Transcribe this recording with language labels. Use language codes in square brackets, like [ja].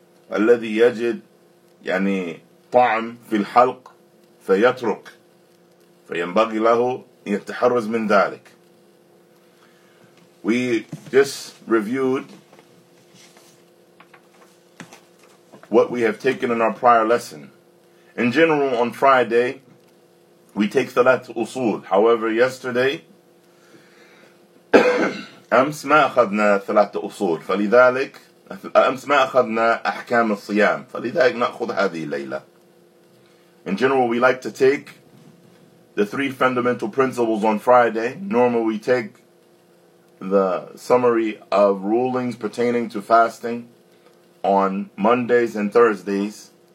[ar] والذي يجد يعني طعم في الحلق فيترك، فينبغي له أن يتحرز من ذلك. [en] We just reviewed what we have taken in our prior lesson. In general, on Friday, we take [ar] ثلاث أصول. [en] However, yesterday, [ar] أمس ما أخذنا ثلاث أصول. فلذلك أمس ما أخذنا أحكام الصيام. فلذلك نأخذ هذه الليلة. [en] In general, we like to take the three fundamental principles on Friday. Normally, we take the summary of rulings pertaining to fasting on Mondays and Thursdays.